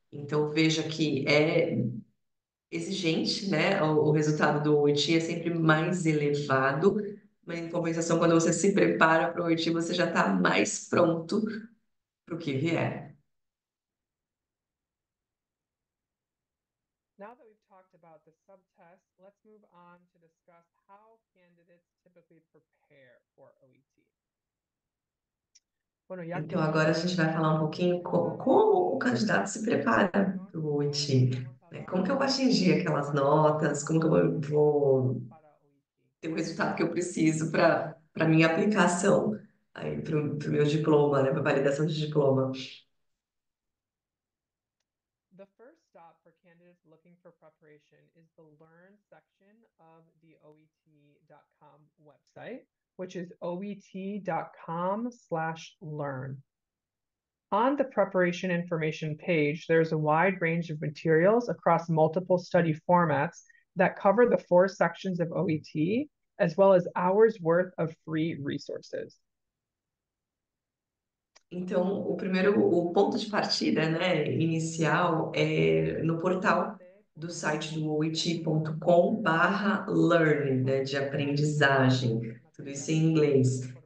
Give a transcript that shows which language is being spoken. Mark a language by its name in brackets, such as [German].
[Portuguese] Então, veja que é exigente, né? O resultado do OIT é sempre mais elevado, mas em compensação, quando você se prepara para o OIT, você já está mais pronto para o que vier. [English] Now that we've talked about the subtest, let's move on to discuss how candidates typically prepare for OET. [Spanish] Bueno, ya que [Portuguese] Então, agora a gente vai falar um pouquinho como o candidato se prepara para o OIT, né? Como que eu vou atingir aquelas notas, como que eu vou ter o resultado que eu preciso para minha aplicação, aí para o meu diploma, né? Para a validação de diploma. [English] The first stop for candidates looking for preparation is the Learn section of the OET.com website, which is OET.com/learn. On the preparation information page, there's a wide range of materials across multiple study formats that cover the four sections of OET, as well as hours worth of free resources. [Portuguese] Então, o ponto de partida, né, inicial é no portal do site do oit.com/learn, né, de aprendizagem, tudo isso em inglês.